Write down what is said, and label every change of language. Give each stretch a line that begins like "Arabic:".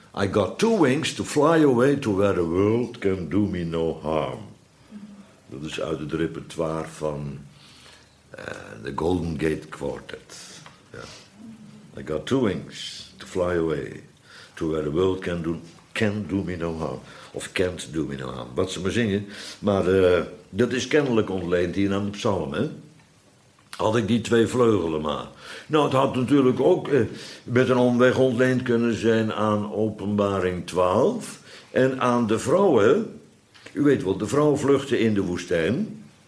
English: I got two wings to fly away to where the world can do me no harm.
Dutch: Dat is uit het repertoire van de Golden Gate Quartet. Yeah.
English: I got two wings to fly away to where the world can do me no harm.
Dutch: Of
English: can't do me no harm.
Dutch: Wat ze maar zingen. Maar dat is kennelijk ontleend hier aan de psalm. Hè? Had ik die twee vleugelen maar. Nou, het had natuurlijk ook met een omweg ontleend kunnen zijn aan Openbaring 12. En aan de vrouwen. U weet wel, de vrouw vluchtte in de woestijn.